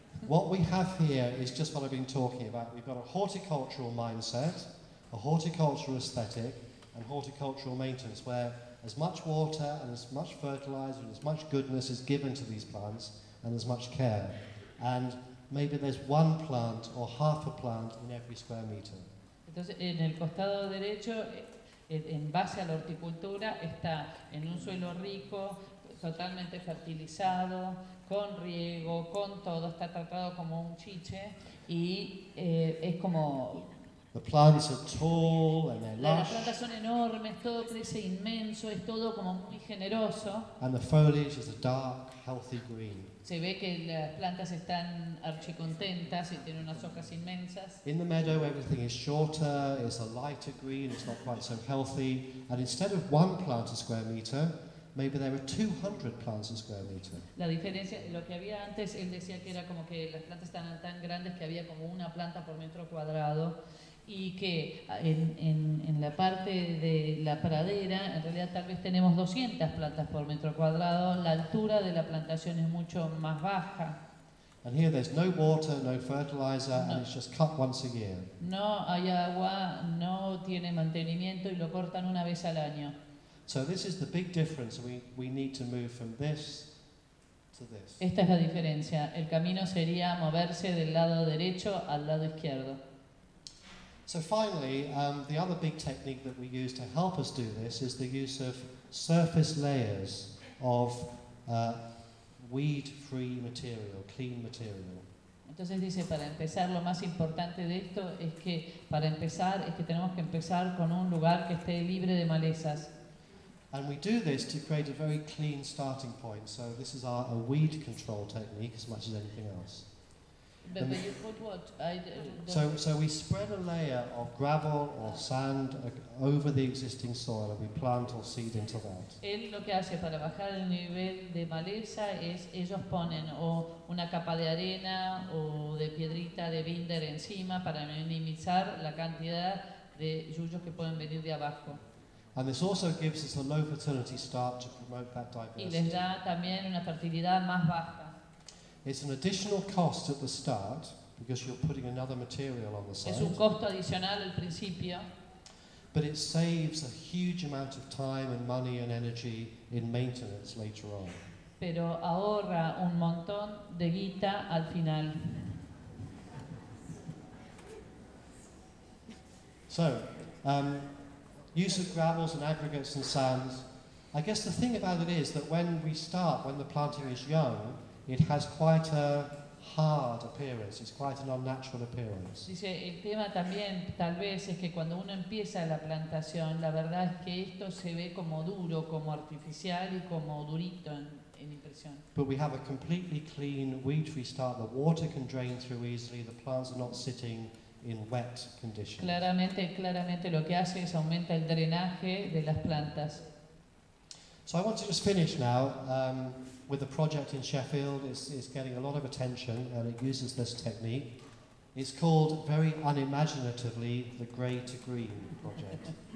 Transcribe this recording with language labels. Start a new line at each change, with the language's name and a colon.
English: What we have here is just what I've been talking about. We've got a horticultural mindset, a horticultural aesthetic, and horticultural maintenance, where as much water and as much fertilizer and as much goodness is given to these plants and as much care. And maybe there's one plant or half a plant in every square meter.
Spanish: Entonces, en el costado derecho, en base a la horticultura, está en un suelo rico, totalmente fertilizado, con riego, con todo, está tratado como un chiche, y es como...
English: The plants are tall and they're lush.
Spanish: Las plantas son enormes, todo crece inmenso, es todo como muy generoso.
English: And the foliage is a dark, healthy green.
Spanish: Se ve que las plantas están archicontentas y tienen unas hojas inmensas.
English: In the meadow, everything is shorter, it's a lighter green, it's not quite so healthy. And instead of one plant a square meter, maybe there are 200 plants a square meter.
Spanish: La diferencia, lo que había antes, él decía que era como que las plantas están tan grandes que había como una planta por metro cuadrado. Y que en la parte de la pradera, en realidad tal vez tenemos 200 plantas por metro cuadrado, la altura de la plantación es mucho más baja.
English: And here there's no water, no fertilizer, no. And it's just cut once a year.
Spanish: No hay agua, no tiene mantenimiento y lo cortan una vez al año.
English: So this is the big difference, we need to move from this to this.
Spanish: Esta es la diferencia, el camino sería moverse del lado derecho al lado izquierdo.
English: So finally, the other big technique that we use to help us do this is the use of surface layers of weed-free material, clean material.
Spanish: Entonces dice, para empezar, lo más importante de esto es que, para empezar, es que tenemos que empezar con un lugar que esté libre de malezas.
English: And we do this to create a very clean starting point. So this is our a weed control technique as much as anything else. But you put what? So we spread a layer of gravel or sand over the existing soil and we plant or seed into that.
Spanish: Él lo que hace para bajar el nivel de maleza es ellos ponen o una capa de arena o de piedrita de binder encima para minimizar la cantidad de yuyos que pueden venir de abajo.
English: And this also gives us a low fertility start to promote that diversity.
Spanish: Y les da también una fertilidad más baja.
English: It's an additional cost at the start because you're putting another material on the site.
Spanish: Es un costo adicional al principio.
English: But it saves a huge amount of time and money and energy in maintenance later on.
Spanish: Pero ahorra un montón de guita al final.
English: So, use of gravels and aggregates and sands. I guess the thing about it is that when we start, when the planting is young, it has quite a hard appearance. It's quite an unnatural appearance.
Spanish: Dice el tema también, tal vez es que cuando uno empieza la plantación, la verdad es que esto se ve como duro, como artificial y como durito en impresión.
English: But we have a completely clean weed-free start. The water can drain through easily. The plants are not sitting in wet conditions.
Spanish: Claramente, lo que hace es aumenta el drenaje de las plantas.
English: So I want to just finish now. With a project in Sheffield, it's getting a lot of attention and it uses this technique. It's called, very unimaginatively, the Grey to Green project.